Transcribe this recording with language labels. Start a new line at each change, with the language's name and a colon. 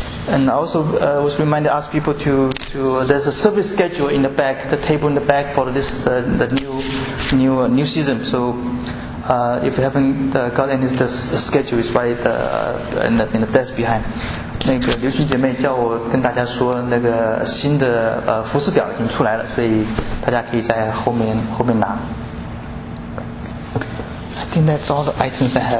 English: And also was reminded ask people to there's a service schedule in the back, the table in the back for this the new season. So if you haven't got any schedule, it's right in the desk behind.
Chinese: 那个刘群姐妹叫我跟大家说，那个新的服事表已经出来了，所以大家可以在后面拿。
English: I think that's all the items I have.